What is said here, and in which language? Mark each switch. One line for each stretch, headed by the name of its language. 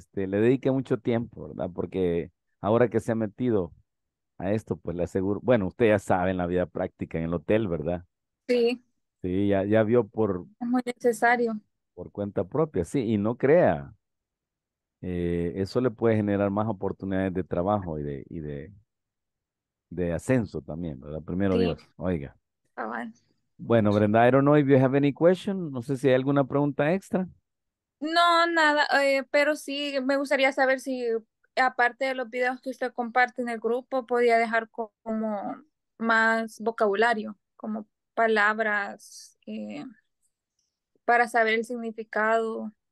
Spanish: Le dedique mucho tiempo, ¿verdad? Porque ahora que se ha metido a esto, pues le aseguro, bueno, usted ya sabe en la vida práctica, en el hotel, ¿verdad? Sí. Sí, ya vio por... Es muy necesario. Por cuenta propia, sí, y no crea. Eso le puede generar más oportunidades de trabajo y de ascenso también, ¿verdad? Primero sí. Dios, oiga.
English: Bueno, Brenda, I don't know if you have any question.
Spanish: No sé si hay alguna pregunta extra. No, nada, pero sí me gustaría saber si, aparte de los videos que usted comparte en el grupo, podía dejar como más vocabulario, como palabras para saber el significado.